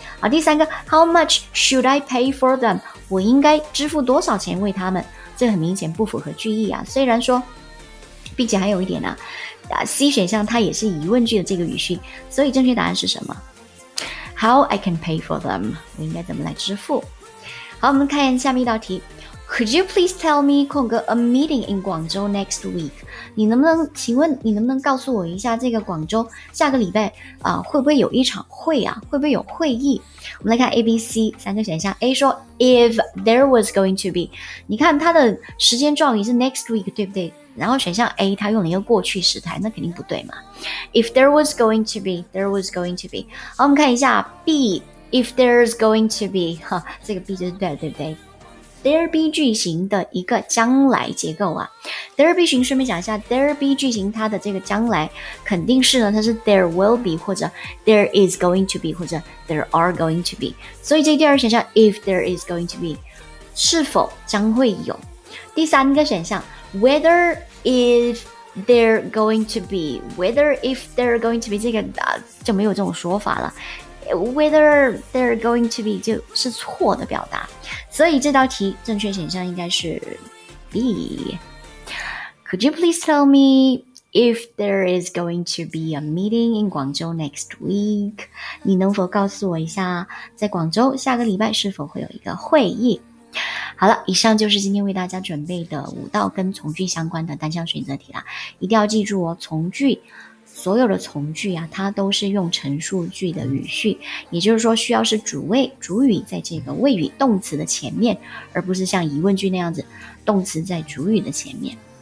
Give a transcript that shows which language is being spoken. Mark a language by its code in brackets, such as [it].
[zh] 好，第三个 [en] ，How much should I pay for them？ [zh] 我应该支付多少钱为他们？这很明显不符合句意啊。虽然说，并且还有一点呢、，C 选项它也是疑问句的这个语序，所以正确答案是什么 ？ [en] How I can pay for them？ [zh] 我应该怎么来支付？好，我们看下面一道题。 [en] Could you please tell me [zh] 空格 [en] a meeting in 广州 next week？ [zh] 请问你能不能告诉我一下这个广州下个礼拜会不会有一场会啊？会不会有会议？我们来看 A、B、C 三个选项。A 说 [en] if there was going to be， [zh] 你看它的时间状语是 [en] next week， [zh] 对不对？然后选项 A 它用了一个过去时态，那肯定不对嘛。 [en] If there was going to be， there was going to be。 [zh] 好，我们看一下 B， [en] if there's going to be， [zh] 哈，这个 B 就是对了，对不对？ There be 句型的一个将来结构啊 ，There be 句型顺便讲一下 ，There be 句型它的这个将来肯定是呢，它是 [en] There will be [zh] 或者 [en] There is going to be [zh] 或者 [en] There are going to be， [zh] 所以这第二个选项 [en] If there is going to be [zh] 是否将会有，第三个选项 [en] Whether if there going to be [zh] Whether if there going to be 这个、就没有这种说法了。 [en] Whether they're going to be [zh] 就是错的表达，所以这道题正确选项应该是 B。 [en] Could you please tell me if there is going to be a meeting in 广州 next week？ [zh] 你能否告诉我一下，在广州下个礼拜是否会有一个会议？好了，以上就是今天为大家准备的五道跟从句相关的单项选择题了。一定要记住哦，从句，所有的从句啊，它都是用陈述句的语序，也就是说需要是主谓、主语在这个谓语动词的前面，而不是像疑问句那样子，动词在主语的前面。